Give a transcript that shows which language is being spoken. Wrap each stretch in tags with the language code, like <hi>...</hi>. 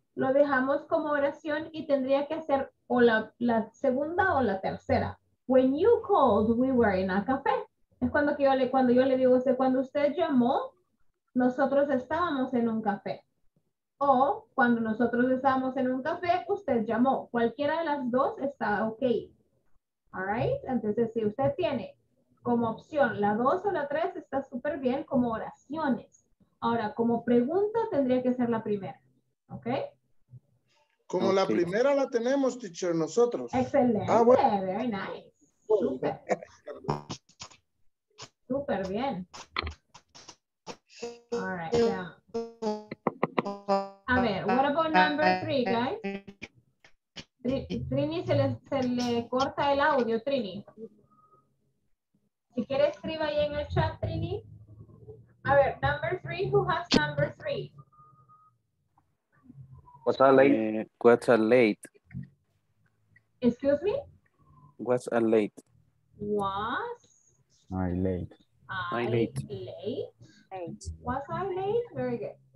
<es>Lo dejamos como oración y tendría que hacer o la segunda o la tercera.</es> <en>When you called, we were in a café.</en> <es>Es cuando yo le digo a usted, cuando usted llamó, nosotros estábamos en un café. O cuando nosotros estábamos en un café, usted llamó. Cualquiera de las dos está ok. All right? Entonces, si usted tiene como opción la dos o la tres, está súper bien como oraciones. Ahora, como pregunta, tendría que ser la primera. ¿Ok? Como okay. La primera la tenemos, teacher, nosotros. Excelente. Ah, bueno.</es> <en>Very nice.</en> <es>Súper. Súper bien.</es> <en>All right, yeah.</en> <es>A ver,</es> <en>what about number three, guys?</en> <es>Trini, se le corta el audio, Trini. Si quiere, escriba ahí en el chat, Trini. A ver,</es> <en>number three, who has number three? What's a late? What's a late? Excuse me? What's a late? Was? I late. I late. Late? Was I late? Very good.</en>